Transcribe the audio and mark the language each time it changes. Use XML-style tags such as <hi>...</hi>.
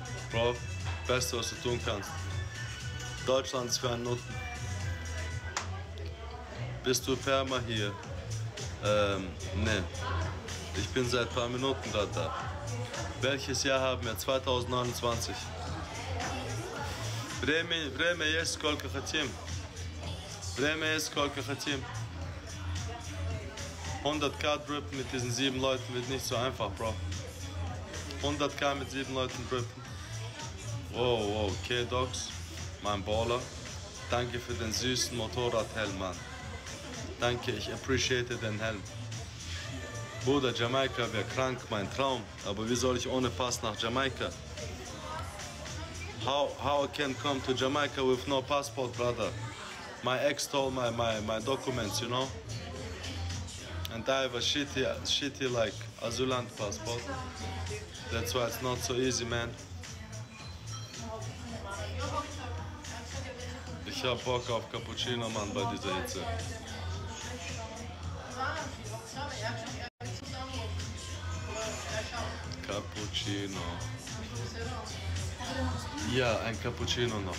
<de>Bro, beste, was du tun kannst. Deutschland ist für einen Nutzen. Bist du Perma hier? Ne. Ich bin seit ein paar Minuten gerade da. Welches Jahr haben wir? 2029.</de> <ru>Время есть сколько хотим. Время есть сколько хотим.</ru> <de>100k drippen mit diesen 7 Leuten wird nicht so einfach, Bro. 100k mit 7 Leuten drippen. Wow, wow, K-Dogs, mein Baller. Danke für den süßen Motorradhelm, Mann. Danke, ich appreciate den Helm. Bruder, Jamaika wäre krank, mein Traum. Aber wie soll ich ohne Pass nach Jamaika?</de> <en>How can come to Jamaica with no passport, brother? my ex stole my documents, you know? And I have a shitty like Asylant passport. That's why it's not so easy, man.</en> <de>Ich hab Bock auf Cappuccino, Mann, bei dieser Hitze. Cappuccino. Ja, ein Cappuccino noch.</de>